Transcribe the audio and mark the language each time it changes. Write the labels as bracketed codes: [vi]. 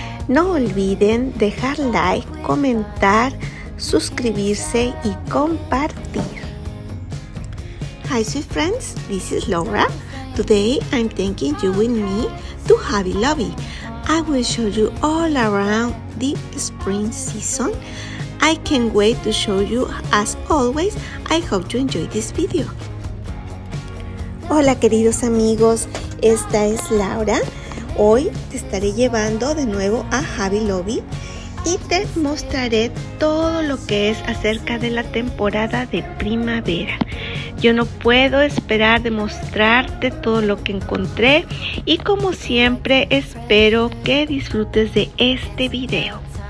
[es] No olviden dejar like, comentar, suscribirse y compartir. [en] Hi sweet friends, this is Laura. Today I'm taking you with me to Hobbylobby. I will show you all around the spring season. I can't wait to show you. As always, I hope you enjoy this video. [es] Hola queridos amigos, esta es Laura. Hoy te estaré llevando de nuevo a Hobbylobby y te mostraré todo lo que es acerca de la temporada de primavera. Yo no puedo esperar de mostrarte todo lo que encontré y como siempre espero que disfrutes de este video.